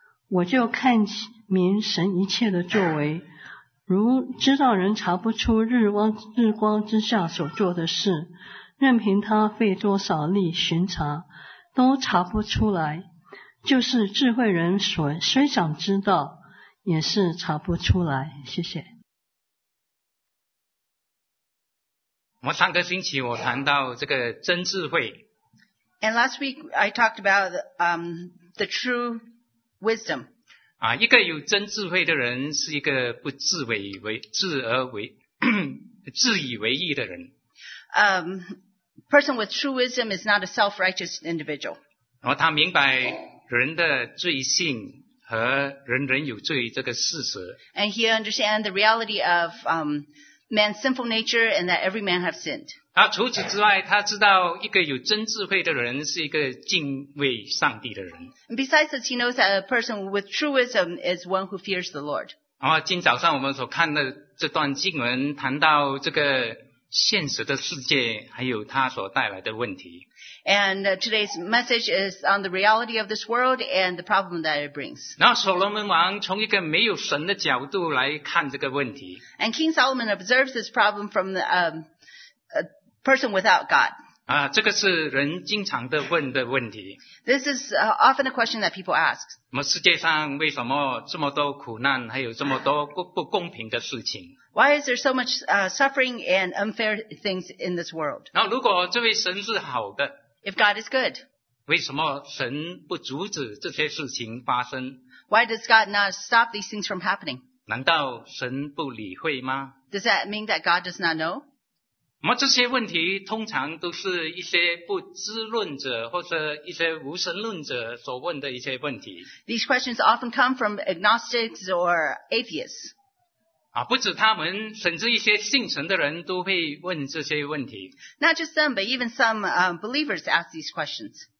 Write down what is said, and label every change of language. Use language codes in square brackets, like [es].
[zh] 我就看明神一切的作为，如知道人查不出日光之下所做的事，任凭他费多少力巡查，都查不出来。就是智慧人所虽想知道，也是查不出来。谢谢。我上个星期我谈到这个真智慧。 [en] And last week I talked about the true wisdom. [zh] 一个有真智慧的人是一个不自为为自而为自以为意的人。 [en] Person with true wisdom is not a self-righteous individual. [zh] 然后他明白人的罪性和人人有罪这个事实。 [en] And he understands the reality of man's sinful nature and that every man has sinned. [zh] 然后除此之外，他知道一个有真智慧的人是一个敬畏上帝的人。 [en] And besides this, he knows that a person with true wisdom is one who fears the Lord. [zh] 然后今早上我们所看的这段经文谈到这个现实的世界，还有它所带来的问题。 [en] And today's message is on the reality of this world and the problem that it brings. [zh] 然后所罗门王从一个没有神的角度来看这个问题。 [en] And King Solomon observes this problem from a person without God. [zh] 这个是人经常的问的问题。 [en] This is often a question that people ask. [zh] 世界上为什么这么多苦难，还有这么多不公平的事情？ [en] Why is there so much suffering and unfair things in this world? [zh] 那如果这位神是好的, [en] if God is good, [zh] 为什么神不阻止这些事情发生? [en] Why does God not stop these things from happening? [zh] 难道神不理会吗? [en] Does that mean that God does not know? [zh] 那么这些问题通常都是一些不知论者或者一些无神论者所问的一些问题。 [en] These questions often come from agnostics or atheists. [zh] 不止他们,甚至一些信神的人都会问这些问题。 [en] Not just them, but even some believers ask these questions.